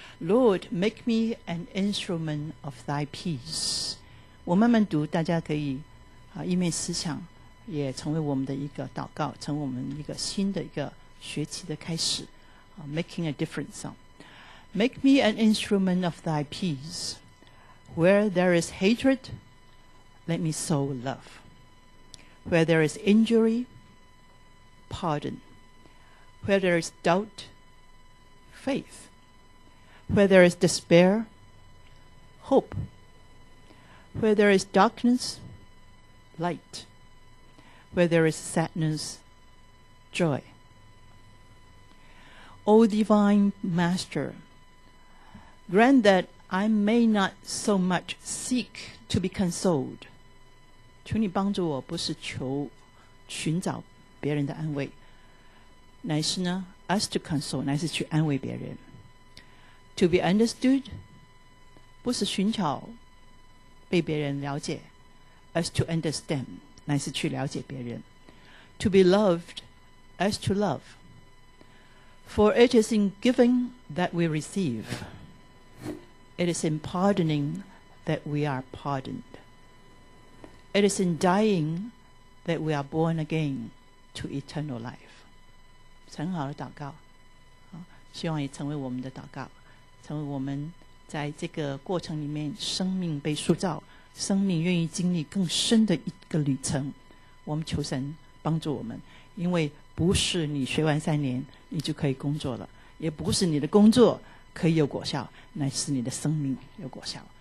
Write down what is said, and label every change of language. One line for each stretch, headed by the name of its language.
English: Lord, make me an instrument of thy peace。
Chinese: 我慢慢读，大家可以一面思想，也成为我们的一个祷告，成为我们一个新的一个学期的开始
English: making a difference。 Make me an instrument of thy peace. Where there is hatred, let me sow love. Where there is injury, pardon. Where there is doubtFaith. Where there is despair, hope. Where there is darkness, light. Where there is sadness, joy. O Divine Master, grant that I may not so much seek to be consoled.
Chinese: 求你帮助我，不是寻找别人的安慰，乃是呢
English: us to console,
Chinese: 乃是去安慰别人。
English: To be understood,
Chinese: 不是寻找被别人了解，
English: as to understand,
Chinese: 乃是去了解别人。
English: To be loved, as to love, for it is in giving that we receive, it is in pardoning that we are pardoned, it is in dying that we are born again to eternal life.
Chinese: 很好的祷告，希望也成为我们的祷告，成为我们在这个过程里面生命被塑造，生命愿意经历更深的一个旅程。我们求神帮助我们，因为不是你学完三年你就可以工作了，也不是你的工作可以有果效，乃是你的生命有果效。